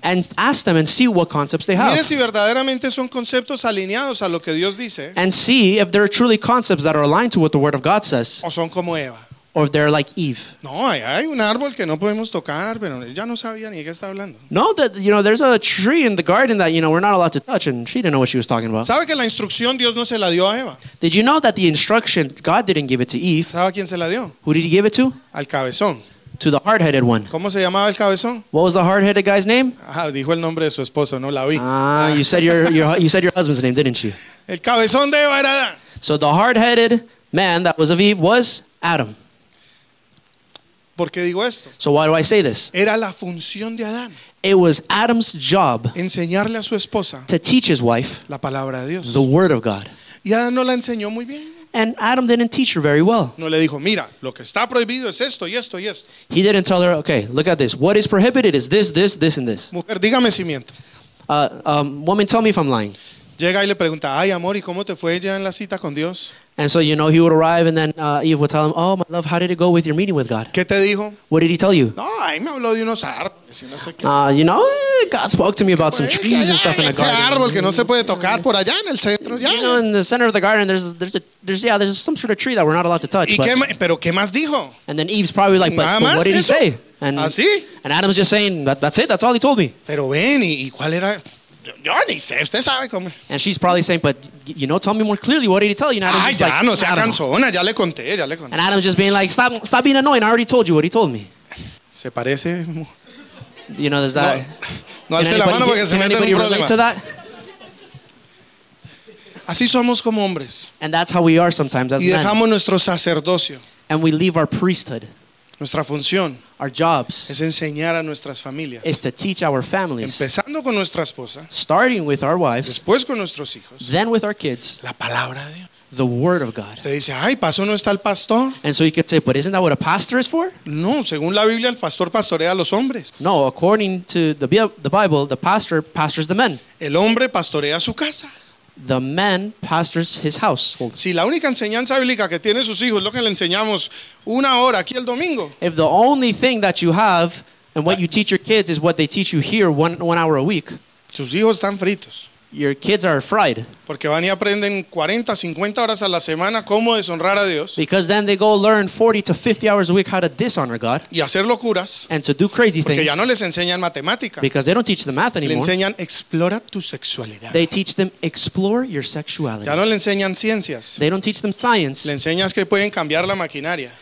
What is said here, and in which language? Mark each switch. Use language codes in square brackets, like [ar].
[en] And ask them and see what concepts they have. [es] Mire si verdaderamente son conceptos alineados a lo que Dios dice. [en] And see if there are truly concepts that are aligned to what the word of God says. [es] O son como Eva. [en] Or if they're like Eve. [es] No, hay un árbol que no podemos tocar, pero ella no sabía ni qué está hablando. [en] No, that you know, there's a tree in the garden that you know we're not allowed to touch, and she didn't know what she was talking about. [es] ¿Sabe que la instrucción Dios no se la dio a Eva? [en] Did you know that the instruction God didn't give it to Eve? [es] ¿Sabe a quién se la dio? [en] Who did He give it to? [es] Al cabezón. [en] To the hard-headed one. [es] ¿Cómo se llamaba el cabezón? [en] What was the hard-headed guy's name? [es] Ah, dijo el nombre de su esposo, no la vi. [en] Ah, you said your husband's name, didn't you? [es] El cabezón de Eva era Adán. [en] So the hard-headed man that was of Eve was Adam. [es] ¿Por qué digo esto? [en] So why do I say this? [es] Era la función de Adán. [en] It was Adam's job. [es] Enseñarle a su esposa. [en] To teach his wife. [es] La palabra de Dios. [en] The word of God. [es] Y Adán no la enseñó muy bien. [en] And Adam didn't teach her very well. [es] No le dijo, mira, lo que está prohibido es esto y esto y esto. [en] He didn't tell her, okay, look at this. What is prohibited is this, this, this, and this. [es] Mujer, dígame si miento. [en] Woman, tell me if I'm lying. [es] Llega y le pregunta, ay amor, ¿y cómo te fue ya en la cita con Dios? [en] And so, you know, he would arrive and then Eve would tell him, oh, my love, how did it go with your meeting with God? [es] ¿Qué te dijo? [en] What did he tell you? [es] No, ahí me habló de unos árboles y no sé qué. [en] You know, God spoke to me about some trees and stuff in the garden. [es] Ese árbol que no se puede tocar por allá en el centro. [en] You know, in the center of the garden, there's some sort of tree that we're not allowed to touch. [es] ¿Y qué, pero qué más dijo? [en] And then Eve's probably like, but what did [es] eso? [en] He say? [es] And, ¿así? [en] And Adam's just saying, that's it, that's all he told me. [es] Pero ven, ¿y cuál era...? Yo ni sé, usted sabe cómo. [en] And she's probably saying, but you know, tell me more clearly. What did he tell you? And Adam's just like, [es] no, sea cansona, ya le conté, ya le conté. [en] And Adam's just being like, stop being annoying. I already told you what he told me. [es] Se parece. [en] You know, there's that. [es] No, no alce la mano porque se mete en un problema. Así somos como hombres. [en] And that's how we are sometimes as men. [es] Y dejamos nuestro sacerdocio. [en] And we leave our priesthood. [es] Nuestra función, [en] our jobs, [es] es enseñar a nuestras familias, [en] is to teach our families, [es] empezando con nuestra esposa, [en] starting with our wives, [es] después con nuestros hijos, [en] then with our kids, [es] la palabra de Dios, [en] the word of God. [es] Usted dice, ay, ¿paso no está el pastor? [en] And so you could say, but isn't that what a pastor is for? [es] No, según la Biblia, el pastor pastorea a los hombres. [en] No, according to the Bible, the pastor pastors the men. [es] El hombre pastorea su casa. [en] The man pastors his house. [es] Si la única enseñanza bíblica que tiene sus hijos es lo que le enseñamos una hora aquí el domingo. [en] If the only thing that you have and what you teach your kids is what they teach you here one hour a week. [es] Sus hijos están fritos. [en] Your kids are fried. [es] Porque van y aprenden 40, 50 horas a la semana cómo deshonrar a Dios. [en] Because then they go learn 40 to 50 hours a week how to dishonor God. [es] Y hacer locuras. [en] And to do crazy [es] porque [en] things. [es] Porque ya no les enseñan matemática. [en] Because they don't teach them math anymore. [es] Le enseñan explora tu sexualidad. [en] They teach them explore your sexuality. [es] Ya no le enseñan ciencias. [en] They don't teach them science. [es] Le enseñas que pueden cambiar la maquinaria.